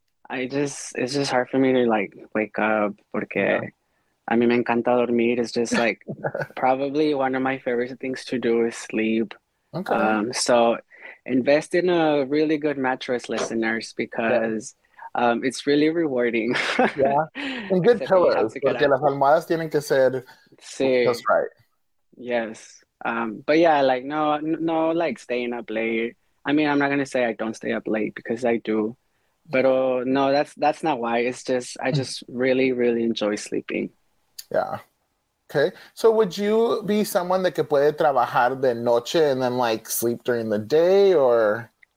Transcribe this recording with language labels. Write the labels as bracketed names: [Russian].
[English] It's just hard for me to like wake up [Spanish] porque a mí me encanta dormir. [English] It's just like probably one of my favorite things to do is sleep. Okay. So invest in a really good mattress, listeners, because it's really rewarding. Yeah. And good pillows. [Spanish] Porque las almohadas tienen que ser [English] just right. Yes. But yeah, like no, like staying up late. I mean, I'm not going to say I don't stay up late because I do. But no, that's not why. It's just, I just really, really enjoy sleeping. Yeah. Okay. So would you be someone that could [Spanish] puede trabajar de noche [English] and then like sleep during the day or?